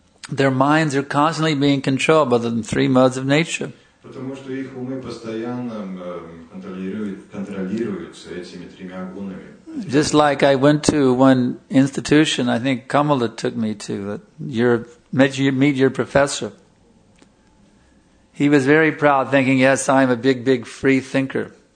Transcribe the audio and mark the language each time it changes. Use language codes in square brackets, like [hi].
[en] Their minds are constantly being controlled by the three modes of nature. [ru] Потому что их умы постоянно контролируются этими тремя гунами. [en] Just like I went to one institution, I think Kamala took me to meet your professor. He was very proud, thinking, yes, I'm a big, big free thinker.